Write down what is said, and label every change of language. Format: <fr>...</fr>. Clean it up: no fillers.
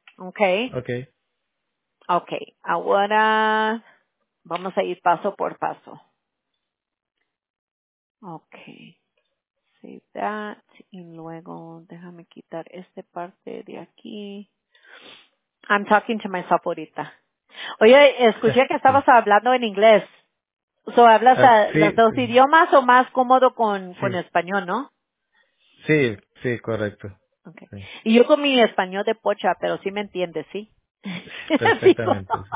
<es>Okay. Okay. Okay. Ahora vamos a ir paso por paso.</es> <en>Okay, save that,</en> <es>y luego déjame quitar esta parte de aquí.</es> <en>I'm talking to myself</en> <es>ahorita. Oye, escuché que estabas hablando en inglés. ¿So hablas los dos idiomas o más cómodo con español, no? Sí, correcto. Okay. Sí. Y yo con mi español de pocha, pero sí me entiendes, ¿sí? Perfectamente.</es>